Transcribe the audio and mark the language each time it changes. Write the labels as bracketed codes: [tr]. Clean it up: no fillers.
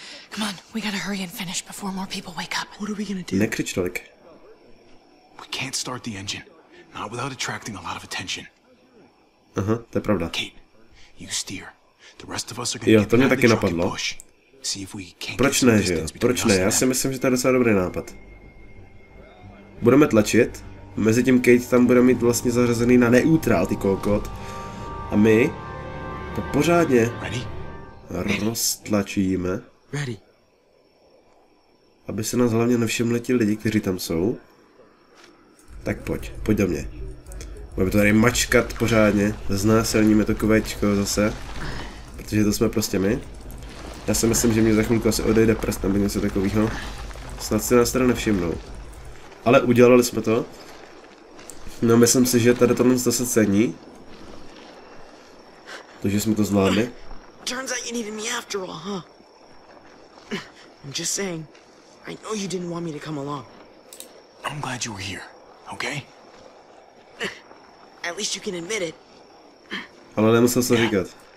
[en] Come on, we gotta hurry and finish before more people wake up. What are we gonna do? [cs] Nekřič tolik. [en] We can't start the engine. Not without attracting a lot of attention. [cs] Aha, to je pravda. [en] Kate, you steer. The rest of us are gonna get back in the truck and push. [cs] Proč ne, že jo? Proč ne? Já si myslím, že to je docela dobrý nápad. Budeme tlačit. Mezitím Kate tam bude mít vlastně zařazený na neutrál, ty kokot. A my to pořádně roztlačíme. Aby se nás hlavně nevšimli ti lidi, kteří tam jsou. Tak pojď, pojď do mě. Budeme to tady mačkat pořádně. Znásilníme to kovéčko zase. Protože to jsme prostě my. Já si myslím, že mě za chvilku asi odejde prst nebo něco takového. Snad si nás teda nevšimnou. Ale udělali jsme to. No, myslím si, že tady tohle zase cení. To, že jsme to zvládli. [en] Turns out you needed me after all, huh? I'm just saying, I know you didn't want me to come along. I'm glad you were here, okay? At least you can admit it. [cs] Ale nemusel se říkat.